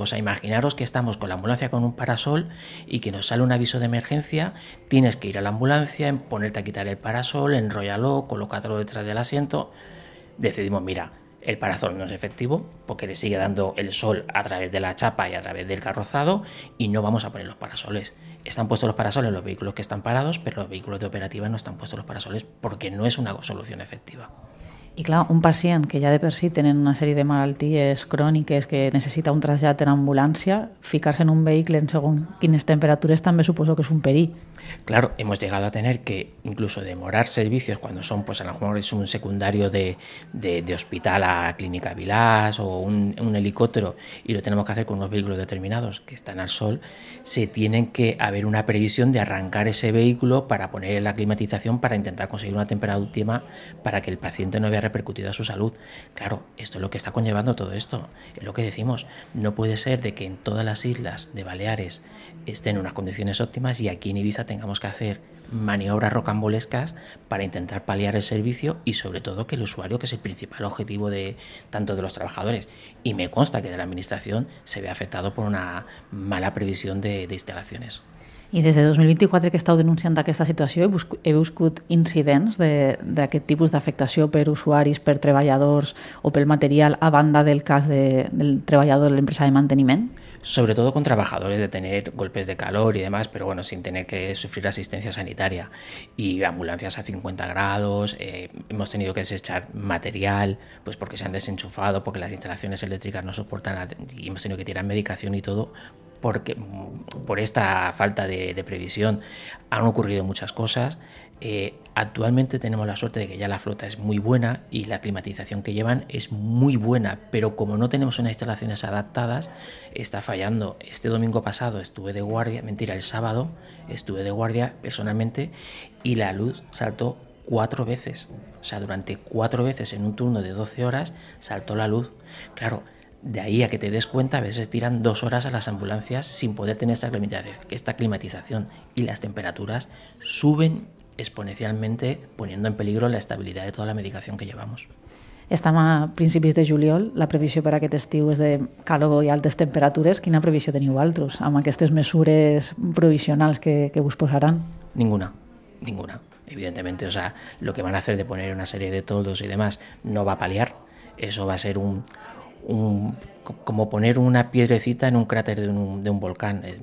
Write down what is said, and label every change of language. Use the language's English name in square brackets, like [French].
[Spanish] O sea, imaginaros que estamos con la ambulancia con un parasol y que nos sale un aviso de emergencia, tienes que ir a la ambulancia, ponerte a quitar el parasol, enróllalo, colócatelo detrás del asiento. Decidimos, mira, el parasol no es efectivo porque le sigue dando el sol a través de la chapa y a través del carrozado y no vamos a poner los parasoles. Están puestos los parasoles en los vehículos que están parados, pero los vehículos de operativa no están puestos los parasoles porque no es una solución efectiva. [Catalan] I clar, un pacient que ja de per si tenen una sèrie de malalties cròniques que necessita un trasllat en ambulància, ficar-se en un vehicle en segons quines temperatures també suposo que és un perill. [Spanish] Claro, hemos llegado a tener que incluso demorar servicios cuando son, pues a lo mejor es un secundario de hospital a Clínica Vilas o un helicóptero y lo tenemos que hacer con unos vehículos determinados que están al sol, se tienen que haber una previsión de arrancar ese vehículo para poner la climatización para intentar conseguir una temperatura óptima para que el paciente no vea repercutido a su salud. Claro, esto es lo que está conllevando todo esto. Es lo que decimos, no puede ser de que en todas las islas de Baleares estén en unas condiciones óptimas y aquí en Ibiza tengamos que hacer maniobras rocambolescas para intentar paliar el servicio y sobre todo que el usuario, que es el principal objetivo de tanto de los trabajadores y me consta que de la administración, se ve afectado por una mala previsión de instalaciones. [Catalan] I des de 2024 que estàu denunciant aquesta situació, he viscut incidents d'aquest tipus d'afectació per usuaris, per treballadors o pel material a banda del cas del treballador de l'empresa de manteniment? [Spanish] Sobre todo con trabajadores, de tener golpes de calor y demás, pero bueno, sin tener que sufrir asistencia sanitaria. Y ambulancias a 50 grados, hemos tenido que desechar material pues porque se han desenchufado, porque las instalaciones eléctricas no soportan y hemos tenido que tirar medicación y todo porque por esta falta de previsión han ocurrido muchas cosas. Actualmente tenemos la suerte de que ya la flota es muy buena y la climatización que llevan es muy buena, pero como no tenemos unas instalaciones adaptadas, está fallando. Este domingo pasado estuve de guardia, mentira, el sábado estuve de guardia personalmente y la luz saltó 4 veces. O sea, durante 4 veces en un turno de 12 horas saltó la luz. Claro, de ahí a que te des cuenta, a veces tiran 2 horas a las ambulancias sin poder tener esta climatización y las temperaturas suben exponencialmente poniendo en peligro la estabilidad de toda la medicación que llevamos. [Catalan] Estem a principis de juliol, la previsió per aquest estiu és de calor i altes temperatures. Quina previsió teniu altres amb aquestes mesures provisionals que us posaran? [Spanish] Ninguna, ninguna. Evidentemente, o sea, lo que van a hacer de poner una serie de toldos y demás no va a paliar. Eso va a ser como poner una piedrecita en un cráter de un volcán.